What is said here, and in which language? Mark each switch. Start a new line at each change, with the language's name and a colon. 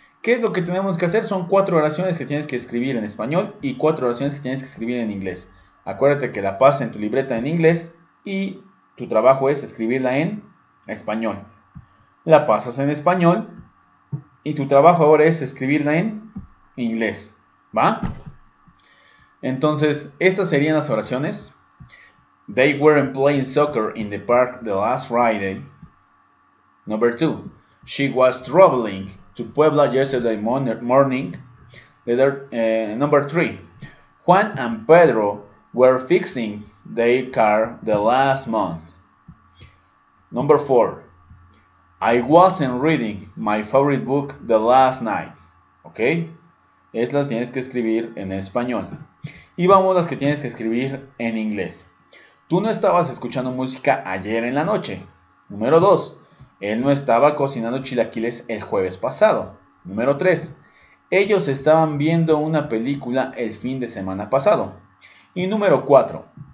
Spanish: ¿Qué es lo que tenemos que hacer? Son cuatro oraciones que tienes que escribir en español y cuatro oraciones que tienes que escribir en inglés. Acuérdate que la pasas en tu libreta en inglés y tu trabajo es escribirla en español. La pasas en español y tu trabajo ahora es escribirla en inglés. ¿Va? Entonces, estas serían las oraciones.
English: They weren't playing soccer in the park the last Friday. Number two. She was traveling to Puebla yesterday morning. Number three. Juan and Pedro were fixing their car the last month. Number four. I wasn't reading my favorite book the last night.
Spanish: ¿Ok? Estas tienes que escribir en español. Y vamos a las que tienes que escribir en inglés. Tú no estabas escuchando música ayer en la noche. Número 2. Él no estaba cocinando chilaquiles el jueves pasado. Número 3. Ellos estaban viendo una película el fin de semana pasado. Y número 4.